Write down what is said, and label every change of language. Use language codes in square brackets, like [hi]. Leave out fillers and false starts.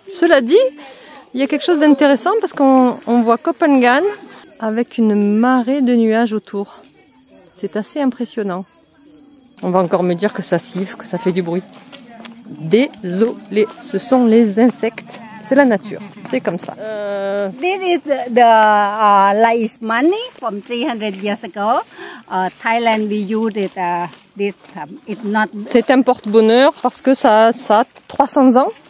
[fr] Cela dit, il y a quelque chose d'intéressant parce qu'on voit Koh Phangan avec une marée de nuages autour. C'est assez impressionnant. On va encore me dire que ça siffle, que ça fait du bruit. Désolé, ce sont les insectes. C'est la nature. C'est comme ça. [en] This is the rice money from 300 years ago. Thailand we used it. This it's not. [fr] C'est un porte-bonheur parce que ça a 300 ans.